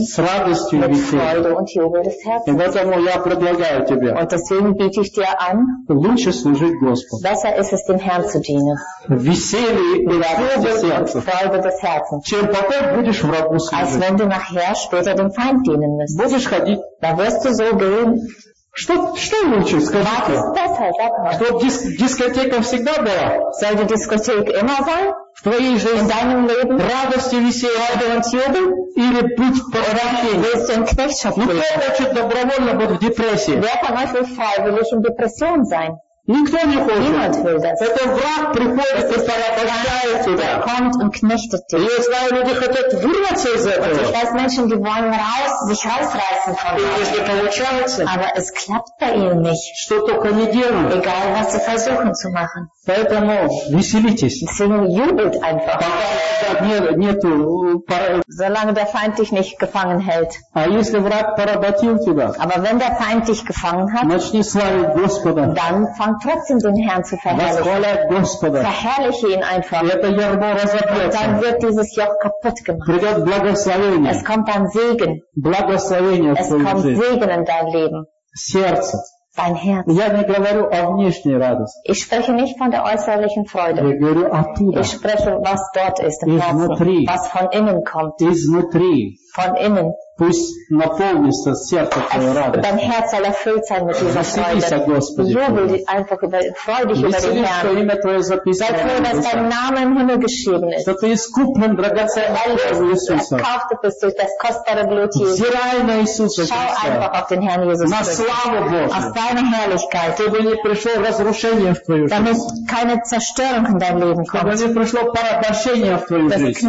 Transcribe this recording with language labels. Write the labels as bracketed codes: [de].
[ru] с радостью mit [de] Freude Herzen. Und Jubel des Herzens. [ru] И поэтому я предлагаю тебе. [de] Und deswegen biete ich dir an, [ru] лучше служить Господу. [de] Besser ist es, dem Herrn zu dienen. [ru] Веселее [de] Freude des Herzens. [ru] Чем потом будешь врагу служить. [de] Als wenn du nachher später dem Feind dienen müsst. [ru] Будешь ходить. [de] Da wirst du so gehen. [ru] Что лучше, скажите? Чтоб дискотека всегда была? [de] Soll die Diskothek immer sein? [ru] В твоей жизни? Радость и веселье? Или быть в порабощении? [de] Willst du ein Knechtschaft? [ru] Ну, кто хочет добровольно быть в депрессии? [de] Wer von euch will freiwillig in Depression sein? [ru] Никто не хочет. [de] Niemand will das. [ru] Это враг приходит и порабощает тебя. [de] Kommt und knechtet dich. [ru] Я знаю, люди хотят вырваться из этого. [de] Und ich weiß, Menschen, die wollen sich rausreißen von [ru] dir. Если получается. [de] Aber es klappt bei ihnen nicht. [ru] Что только не делают. [de] Egal, was sie versuchen zu machen. [ru] Поэтому веселитесь. [de] Deswegen jubelt einfach. [ru] Нету, [de] Solange der Feind dich nicht gefangen hält. [ru] А если враг поработил тебя. [de] Aber wenn der Feind dich gefangen hat. [ru] Начни славить Господа. [de] Dann fang trotzdem den Herrn zu verherrlichen. Verherrliche ihn einfach. Und dann wird dieses Joch kaputt gemacht. Es kommt dann Segen. Es kommt Segen in dein Leben. [ru] Сердце. [de] Dein Herz. [ru] Я не говорю о внешней радости. [de] Ich spreche nicht von der äußerlichen Freude. [ru] Я говорю оттуда. [de] Ich spreche, was dort ist, im Herzen. Изнутри. Was von innen kommt. [ru] Изнутри. [de] Von innen. [ru] Пусть наполнится сердце твоей радостью. [de] Dein Herz soll erfüllt sein mit dieser Freude. [ru] Веселись, Господи. [de] Jubel einfach über, freu dich über den Herrn. [ru] Веселись, имя твое записано. [de] Sei froh, dass dein Name im Himmel geschrieben ist. [ru] Что ты искуплен драгоценным кровью Иисуса. [de] Erkauft bist durch das kostbare Blut Jesu. [ru] Взирай на Иисуса Христа. [de] Schau einfach auf den Herrn Jesus [ru] Christus. На славу Божию. [de] Auf deine Herrlichkeit. [ru] Чтобы не пришло разрушение в твою жизнь. [de] Damit keine Zerstörung in dein Leben kommt. [ru] Чтобы не пришло порабощение в твою жизнь.